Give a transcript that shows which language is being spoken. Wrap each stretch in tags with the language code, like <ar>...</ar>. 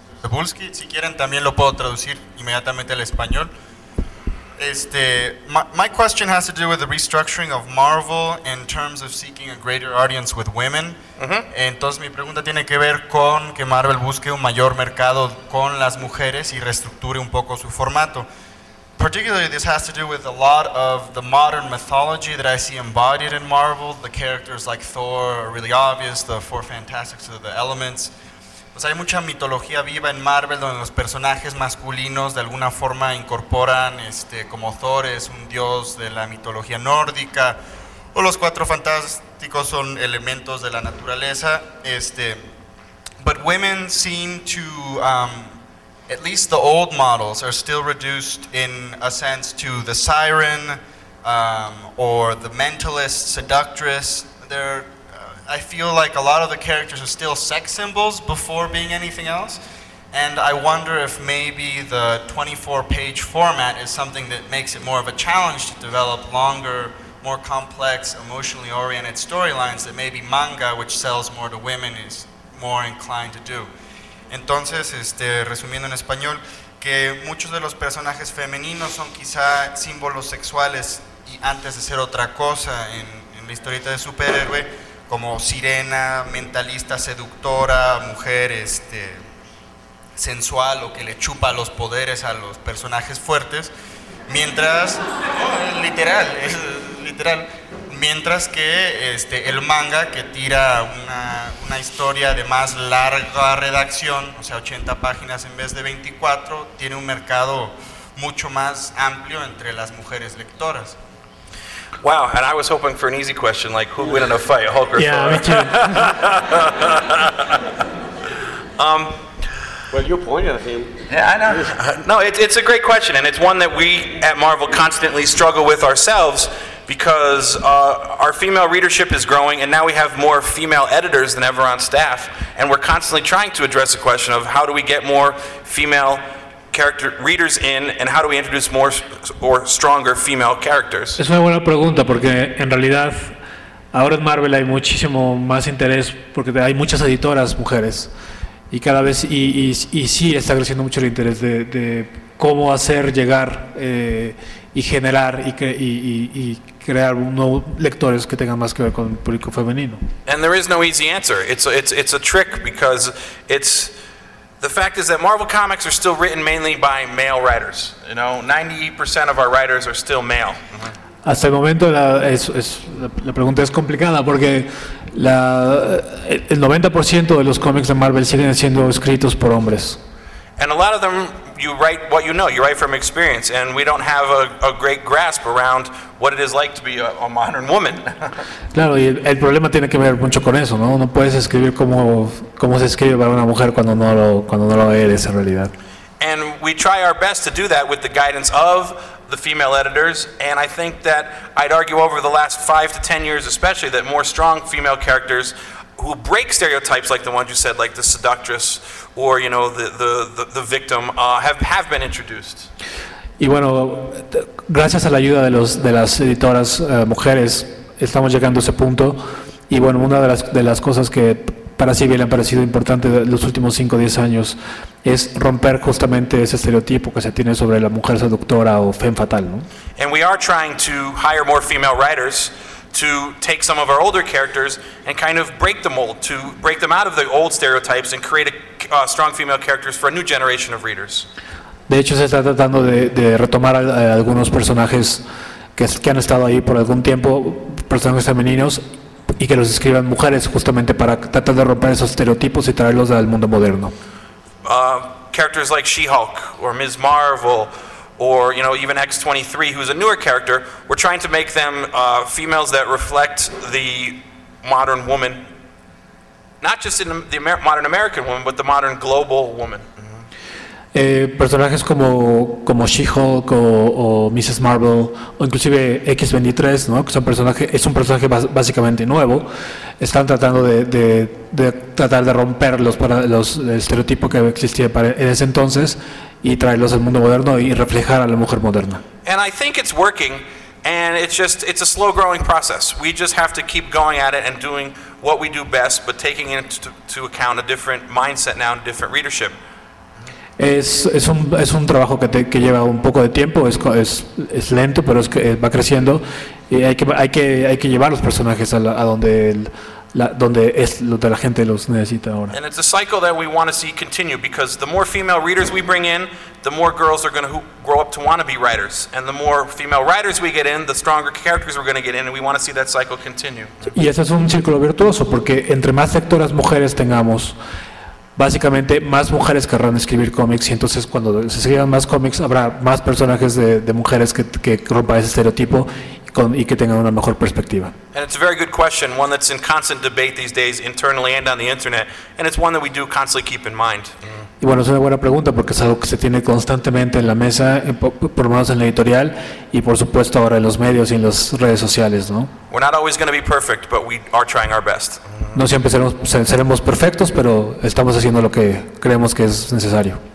<es>Bulski, si quieren también lo puedo traducir inmediatamente al español. Este,</es> <en>my question has to do with the restructuring of Marvel in terms of seeking a greater audience with women. Uh-huh.</en> <es>Entonces mi pregunta tiene que ver con que Marvel busque un mayor mercado con las mujeres y reestructure un poco su formato.</es> <en>Particularly, this has to do with a lot of the modern mythology that I see embodied in Marvel. The characters like Thor are really obvious, the four fantastics of the elements.</en> <es>Pues hay mucha mitología viva en Marvel donde los personajes masculinos de alguna forma incorporan, este, como Thor es un dios de la mitología nórdica, o los cuatro fantásticos son elementos de la naturaleza. Este,</es> <en>but women seem to, at least the old models are still reduced in a sense to the siren or the mentalist seductress. They're, I feel like a lot of the characters are still sex symbols before being anything else. And I wonder if maybe the 24-page format is something that makes it more of a challenge to develop longer, more complex, emotionally oriented storylines that maybe manga, which sells more to women, is more inclined to do.</en> <es>Entonces, este, resumiendo en español, que muchos de los personajes femeninos son quizá símbolos sexuales y antes de ser otra cosa en la historieta de superhéroe, como sirena, mentalista, seductora, mujer, este, sensual o que le chupa los poderes a los personajes fuertes, mientras, literal, es literal, mientras que este, el manga que tira una historia de más larga redacción, o sea, 80 páginas en vez de 24, tiene un mercado mucho más amplio entre las mujeres lectoras.</es> <en>Wow, and I was hoping for an easy question, like who win in a fight, Hulk or Thor? Yeah, me too. Well, you pointed at him. Yeah, I know. No, it's a great question, and it's one that we at Marvel constantly struggle with ourselves, because our female readership is growing, and now we have more female editors than ever on staff, and we're constantly trying to address the question of how do we get more female character readers in, and how do we introduce more or stronger female characters?</en> <es>Es una buena pregunta, porque en realidad ahora en Marvel hay muchísimo más interés porque hay muchas editoras mujeres y cada vez y sí está creciendo mucho el interés de cómo hacer llegar y generar y crear nuevos lectores que tengan más que ver con el público femenino.</es> <en>And there is no easy answer. It's a trick, because it's the fact is that Marvel Comics are still written mainly by male writers. You know, 98% of our writers are still male. Mm-hmm.</en> <es>Hasta el momento la pregunta es complicada, porque el 90% de los cómics de Marvel siguen siendo escritos por hombres.</es> <en>And a lot of them, you write what you know, you write from experience, and we don't have a great grasp around what it is like to be a modern woman.</en> <es>Claro, y el problema tiene que ver mucho con eso, ¿no? No puedes escribir como se escribe para una mujer cuando no lo eres en realidad.</es> <en>And we try our best to do that with the guidance of the female editors, and I think that I'd argue over the last 5 to 10 years especially that more strong female characters who break stereotypes like the ones you said, like the seductress or, you know, the victim, have been introduced.</en> <es>Y bueno, gracias a la ayuda de las editoras mujeres, estamos llegando a ese punto. Y bueno, una de las cosas que para Civil han parecido importante los últimos 5 o 10 años es romper justamente ese estereotipo que se tiene sobre la mujer seductora o femme fatale, ¿no?</es> <en>And we are trying to hire more female writers to take some of our older characters and kind of break the mold, to break them out of the old stereotypes and create strong female characters for a new generation of readers.</en> <es>De hecho, se está tratando de retomar algunos personajes que han estado ahí por algún tiempo, personajes femeninos, y que los escriban mujeres, justamente para tratar de romper esos estereotipos y traerlos al mundo moderno.</es> <en>Characters like She-Hulk or Ms. Marvel, or, you know, even X-23, who's a newer character, we're trying to make them females that reflect the modern woman, not just in the modern American woman, but the modern global woman.</en> <es>Mm-hmm. Personajes como She-Hulk o Mrs. Marvel, o inclusive X-23, ¿no? Que es un personaje básicamente nuevo, están tratando de romper los estereotipos que existían en ese entonces y traerlos al mundo moderno y reflejar a la mujer moderna.</es> <en>And I think it's working, and it's a slow growing process. We just have to keep going at it and doing what we do best, but taking into account a different mindset now and different readership.</en> <es>Es un trabajo que lleva un poco de tiempo, es lento, pero es que va creciendo y hay que llevar los personajes a donde la gente los necesita ahora.</es> <en>And it's a cycle that we want to see continue, because the more female readers we bring in, the more girls are going to grow up to want to be writers, and the more female writers we get in, the stronger characters we're going to get in, and we want to see that cycle continue.</en> <es>Y ese es un círculo virtuoso, porque entre más lectoras mujeres tengamos, básicamente más mujeres querrán escribir cómics, y entonces cuando se escriban más cómics habrá más personajes de mujeres que rompa ese estereotipo y que tengan una mejor perspectiva.</es> <en>And it's a very good question, one that's in constant debate these days internally and on the internet, and it's one that we do constantly keep in mind.</en> <es>Y bueno, es una buena pregunta porque es algo que se tiene constantemente en la mesa, por lo menos en la editorial y por supuesto ahora en los medios y en las redes sociales, ¿no?</es> <en>We're not always going to be perfect, but we are trying our best.</en> <es>No siempre seremos perfectos, pero estamos haciendo lo que creemos que es necesario.</es>